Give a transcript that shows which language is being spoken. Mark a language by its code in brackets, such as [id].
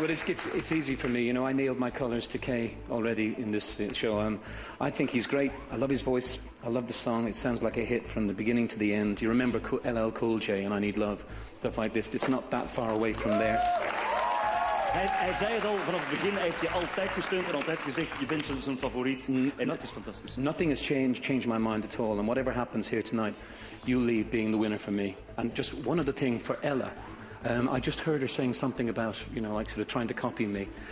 [en] But it's easy for me. You know, I nailed my colors to Kay already in this show. I think he's great. I love his voice. I love the song. It sounds like a hit from the beginning to the end. You remember LL Cool J and I Need Love, stuff like this. It's not that far away from there. [nl] Hij zei het al, vanaf het begin heeft je altijd gesteund en altijd gezegd, je bent zijn favoriet. En dat is fantastisch. [en] Nothing has changed my mind at all. And whatever happens here tonight, you leave being the winner for me. And just one other thing for Ella. I just heard her saying something about, you know, like sort of trying to copy me.